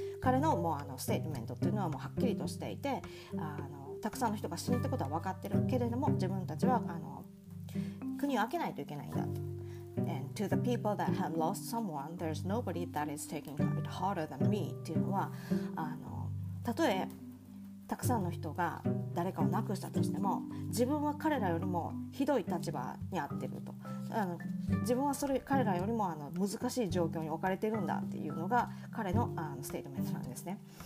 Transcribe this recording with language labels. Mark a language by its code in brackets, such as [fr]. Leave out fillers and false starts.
[ja] 彼のもうステートメントというのはもうはっきりとしていて、たくさんの人が死ぬってことは分かってるけれども、自分たちは国を開けないといけないんだと。 [en] And to the people that have lost someone, there's nobody that is taking it harder than me. [ja] っていうのは、たとえたくさんの人が誰かを亡くしたとしても、自分は彼らよりもひどい立場にあってると。自分はそれ彼らよりも難しい状況に置かれてるんだっていうのが彼のステートメントなんですね。